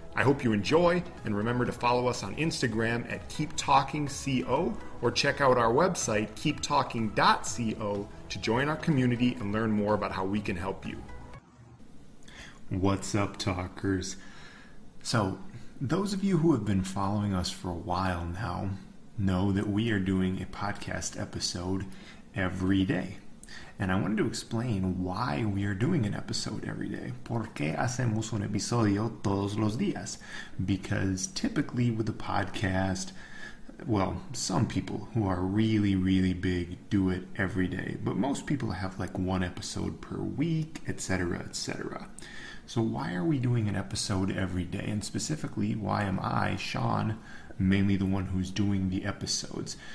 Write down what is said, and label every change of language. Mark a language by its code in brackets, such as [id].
[en] I hope you enjoy, and remember to follow us on Instagram at KeepTalkingCO, or check out our website, KeepTalking.co, to join our community and learn more about how we can help you. What's up, talkers? So, those of you who have been following us for a while now know that we are doing a podcast episode every day. And I wanted to explain why we are doing an episode every day. [es] ¿Por qué hacemos un episodio todos los días? [en] Because typically with a podcast, well, some people who are really, really big do it every day. But most people have like one episode per week, etc., etc. So why are we doing an episode every day? And specifically, why am I, Sean, mainly the one who's doing the episodes?